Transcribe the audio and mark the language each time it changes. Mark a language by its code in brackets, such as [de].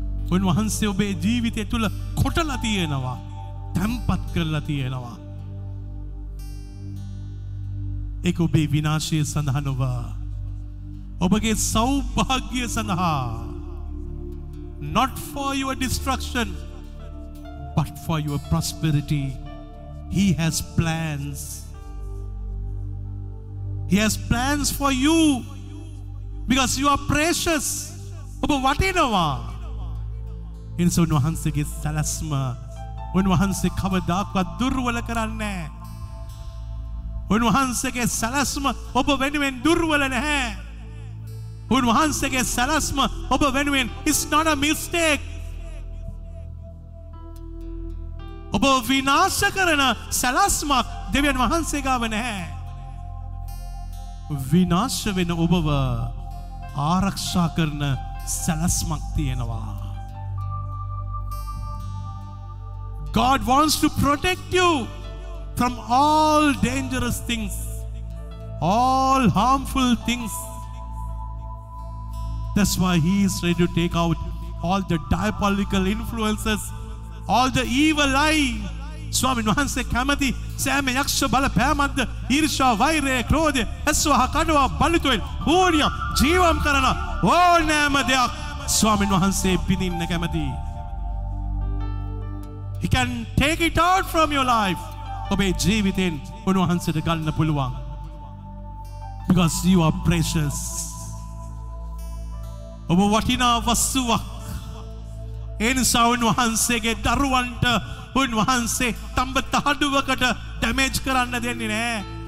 [si] වුණ වහන්සේ ඔබේ ජීවිතය තුල කොටලා තියෙනවා. තැම්පත් කරලා තියෙනවා. ඒක ඔබේ විනාශය සඳහා නොව ඔබගේ සෞභාග්‍ය සඳහා. [en] Not for your destruction but for your prosperity. He has plans. He has plans for you. Because you are precious. [si] ඔබ වටිනවා. එන්ස උන්වහන්සේගේ සලස්ම උන්වහන්සේ කවදාකවත් දුර්වල කරන්නේ නැහැ. උන්වහන්සේගේ සලස්ම ඔබ වෙනුවෙන් දුර්වල නැහැ. උන්වහන්සේගේ සලස්ම ඔබ වෙනුවෙන් [en] it's not a mistake. [si] ඔබ විනාශ කරන සලස්ම දෙවියන් වහන්සේ ගාව නැහැ. විනාශ වෙන ඔබව ආරක්ෂා කරන සලස්මක් තියෙනවා [en] God wants to protect you from all dangerous things all harmful things that's why he is ready to take out all the diabolical influences all the evil eye [si] ස්වාමීන් වහන්සේ කැමති සෑම යක්ෂ බලපෑමක්ද ඊර්ෂ්‍යා වෛරය ක්‍රෝධය ඇස්වහ කඩව බලිතුවෙන් හෝනිය ජීවම් කරන ඕනෑම දෙයක් ස්වාමීන් වහන්සේ පිදින්න කැමති [en] He can take it out from your life [si] ඔබේ ජීවිතෙන් උන්වහන්සේට ගන්න පුළුවන් [en] because you are precious. [si] ඔබ වටිනා වස්තුවක්. ඒ නිසා උන්වහන්සේගේ දරුවන්ට උන්වහන්සේ තඹ තහඩුවකට ඩැමේජ් කරන්න දෙන්නේ නැහැ.